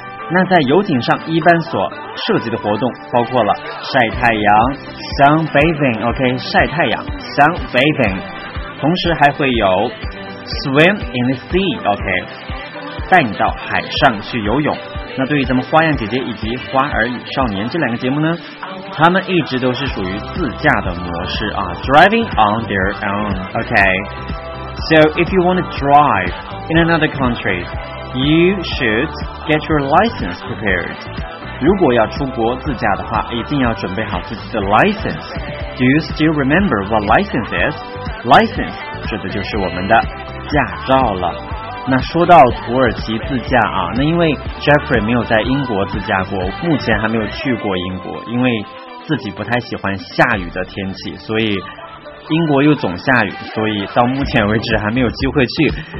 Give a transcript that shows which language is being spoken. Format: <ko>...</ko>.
<zh>那在游艇上一般所涉及的活动包括了晒太阳 sunbathing， OK， 晒太阳 sunbathing， 同时还会有</zh> <en>swim in the sea，</en> <zh>OK， 带你到海上去游泳。那对于咱们花样姐姐以及花儿与少年这两个节目呢，他们一直都是属于自驾的模式啊，</zh> <en>driving on their own，</en> <zh>OK。</zh> <en>So if you want to drive in another countryYou should get your license prepared.</en> <zh>如果要出国自驾的话，一定要准备好自己的 license.</zh> <en>Do you still remember what license is?</en> <zh>License 指的就是我们的驾照了。那说到土耳其自驾啊，那因为 Jeffrey 没有在英国自驾过，目前还没有去过英国，因为自己不太喜欢下雨的天气，所以英国又总下雨，所以到目前为止还没有机会去。</zh>